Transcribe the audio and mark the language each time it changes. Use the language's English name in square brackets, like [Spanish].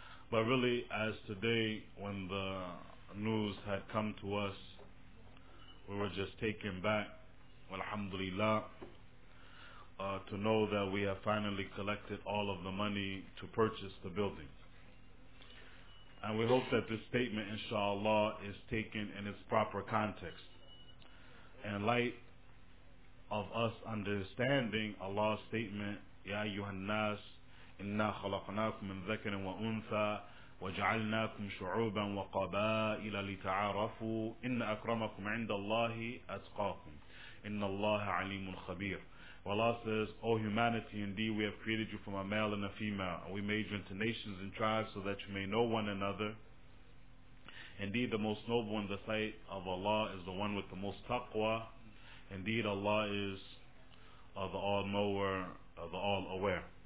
[English] But really, as today, when the news had come to us, we were just taken back, alhamdulillah, to know that we have finally collected all of the money to purchase the building. And we hope that this statement, inshallah, is taken in its proper context, in light of us understanding Allah's statement, [Arabic] يَا أَيُّهَا النَّاسِ إِنَّا خَلَقْنَاكُمْ مِنْ ذَكَرٍ وَأُنْثَى وَجَعَلْنَاكُمْ شُعُوبًا وَقَبَائِلَ لِتَعَارَفُوا إِنَّ أَكْرَمَكُمْ عِنْدَ اللَّهِ أَتْقَاكُمْ إِنَّ اللَّهَ عَلِيمٌ خَبِيرٌ. [English] Allah says, O humanity, indeed we have created you from a male and a female, and we made you into nations and tribes so that you may know one another. Indeed, the most noble in the sight of Allah is the one with the most taqwa. Indeed, Allah is the all-knower, the all-aware.